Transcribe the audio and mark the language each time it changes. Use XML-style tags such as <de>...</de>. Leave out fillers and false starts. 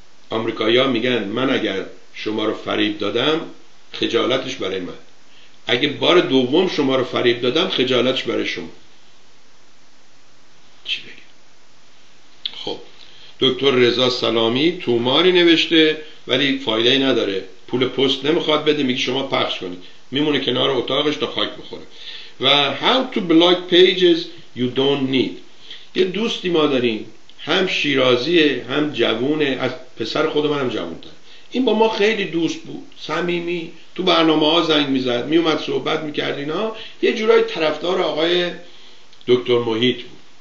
<fa>آمریکایی‌ها میگن من اگر شما رو فریب دادم خجالتش برای من، اگه بار دوم شما رو فریب دادم خجالتش برای شما. چی بگم؟ خب دکتر رضا سلامی توماری نوشته ولی فایده‌ای نداره، پول پست نمیخواد بده، میگه شما پخش کنید. میمونه کنار اتاقش تا خاک بخوره.</fa> <en>و how to block pages you don't need.</en> <fa>یه دوستی ما داریم هم شیرازیه هم جوونه، از پسر خود من هم جوونتر. این با ما خیلی دوست بود، صمیمی، تو برنامه ها زنگ میزد، میومد صحبت میکرد اینا، یه جورای طرفدار آقای دکتر محیط بود.</fa>